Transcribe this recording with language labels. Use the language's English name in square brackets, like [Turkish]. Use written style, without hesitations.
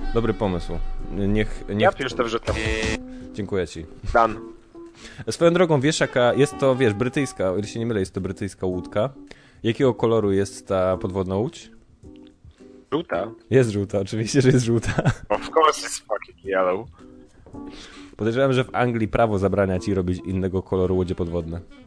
[Polish] Dobry pomysł. Niech ja już to wrzucam. Dziękuję ci. Dan. Swoją drogą, wiesz jaka jest to, wiesz, brytyjska, o ile się nie mylę, jest to brytyjska łódka. Jakiego koloru jest ta podwodna łódź? Żółta. Jest żółta, oczywiście, że jest żółta. [English] Of course it's fucking yellow. [Polish] Podejrzewam, że w Anglii prawo zabrania ci robić innego koloru łodzie podwodne.